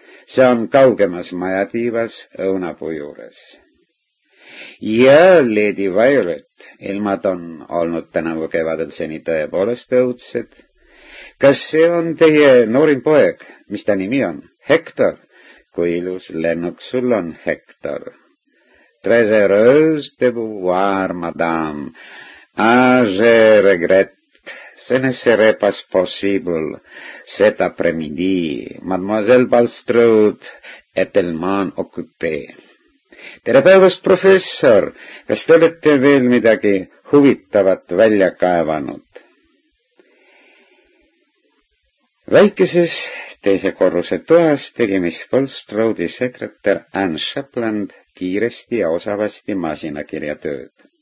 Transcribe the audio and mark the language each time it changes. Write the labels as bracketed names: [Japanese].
[Estonian] See on kaugemas majatiivas õunapuu juures. Ja Lady Violet, ilmad on olnud tänavu kevadel seni tõepoolest õudsed. Kas see on teie noorim poeg, mis ta nimi on? Hector, kui ilus lennuk sul on Hector. [French] Très heureuse de voir, madame. Ah, je regrette. Ce ne serait pas possible cet après-midi. Mademoiselle Bulstrode est tellement occupée. [Estonian] Tere päevast, professor. Kas te olete veel midagi huvitavat välja kaevanud? Väikeses teise korruse toas tegi Miss Bulstrode'i sekretär Anne Shapland kiiresti ja osavasti masinakirja tööd.